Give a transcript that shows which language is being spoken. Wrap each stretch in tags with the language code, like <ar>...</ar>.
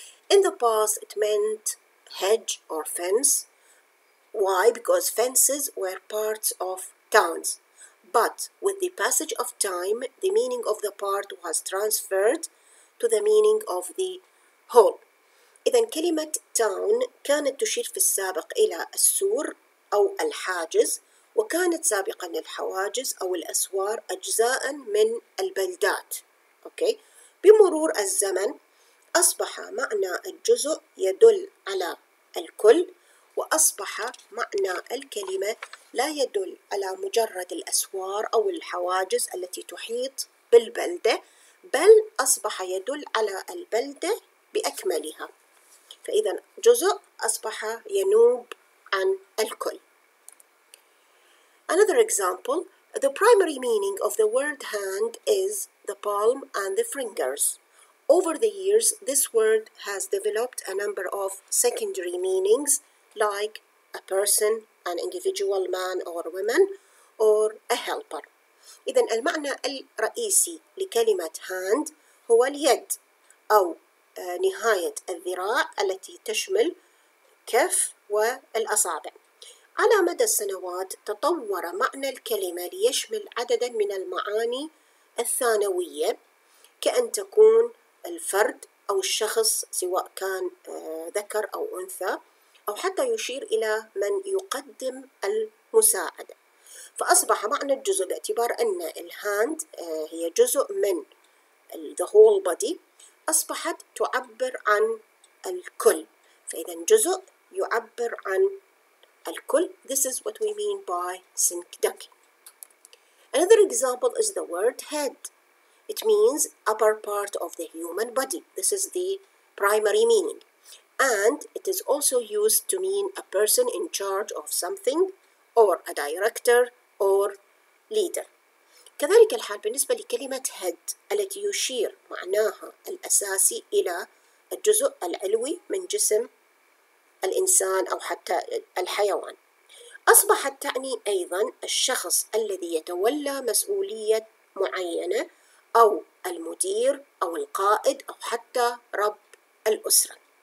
<en>In the past, it meant hedge or fence. Why? Because fences were parts of towns. But with the passage of time, the meaning of the part was transferred to the meaning of the whole.</en> <ar>إذن كلمة town كانت تشير في السابق إلى السور أو الحاجز وكانت سابقاً الحواجز أو الأسوار أجزاء من البلدات.</ar> <en>Okay.</en> <ar>بمرور الزمن أصبح معنى الجزء يدل على الكل وأصبح معنى الكلمة لا يدل على مجرد الأسوار أو الحواجز التي تحيط بالبلدة بل أصبح يدل على البلدة بأكملها. فإذا جزء أصبح ينوب عن الكل.</ar> <en>Another example, the primary meaning of the word hand is the palm and the fingers. Over the years, this word has developed a number of secondary meanings like a person an individual man or woman, or a helper.</en> <ar>إذن المعنى الرئيسي لكلمة hand هو اليد أو نهاية الذراع التي تشمل كف والأصابع. على مدى السنوات تطور معنى الكلمة ليشمل عددا من المعاني الثانوية، كأن تكون الفرد أو الشخص سواء كان ذكر أو أنثى، أو حتى يشير إلى من يقدم المساعدة. فأصبح معنى الجزء باعتبار أن الهاند هي جزء من</ar> <en>the whole body،</en> <ar>أصبحت تعبر عن الكل. فإذا جزء يعبر عن الكل.</ar> <en>This is what we mean by sink duck. Another example is the word head. It means upper part of the human body. This is the primary meaning. And it is also used to mean a person in charge of something or a director or leader.</en> <ar>كذلك الحال بالنسبة لكلمة head التي يشير معناها الأساسي إلى الجزء العلوي من جسم الإنسان أو حتى الحيوان. أصبحت تعني أيضاً الشخص الذي يتولى مسؤولية معينة أو المدير أو القائد أو حتى رب الأسرة.</ar>